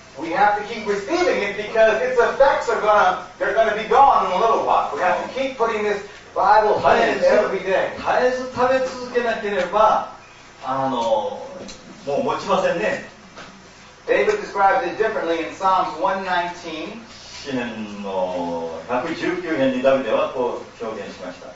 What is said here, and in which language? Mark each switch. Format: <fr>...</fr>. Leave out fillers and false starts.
<en>We have to keep receiving it because its effects are going to be gone in a little while. We have to keep putting this Bible in every day.</en> <ja>絶えず食べ続けなければ、もう持ちませんね。</ja> <en>David described it differently in Psalms 119.</en> <ja>詩編の119編にダビデはこう表現しました。</ja>